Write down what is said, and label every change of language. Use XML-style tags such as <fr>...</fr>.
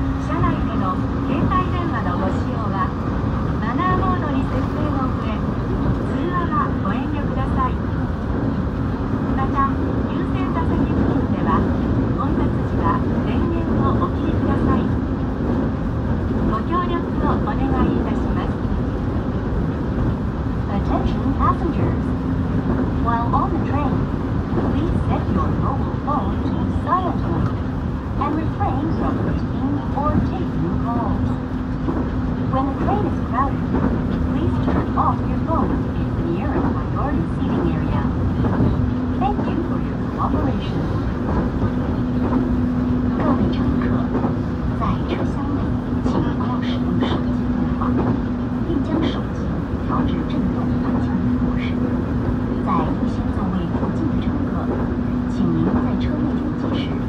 <ja>携帯電話のご使用はマナーモードに設定の上、通話はご遠慮ください。また優先座席付近では混雑時は電源をお切りください。ご協力をお願いいたします。</ja> <en>Attention passengers, while on the train, please set your mobile phone to silent mode and refrain from receiving or taking calls. When the train is crowded, please turn off your phone near a priority seating area. Thank you for your cooperation.</en> <zh>各位乘客，在车厢内请不要使用手机电话，并将手机调至震动环境的模式。在优先座位附近的乘客，请您在车内登机时</zh>